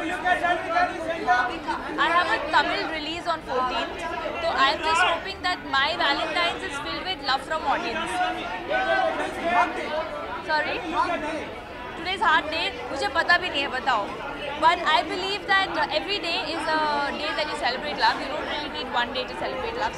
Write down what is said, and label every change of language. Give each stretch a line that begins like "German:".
English: Yeah. I have a Tamil release on 14th, so I'm just hoping that my Valentine's is filled with love from audience. Sorry. Today's hard day,
Hindi: मुझे पता भी नहीं है, बताओ.
English: But I believe that every day is a day that you celebrate love. You don't really need one day to celebrate love.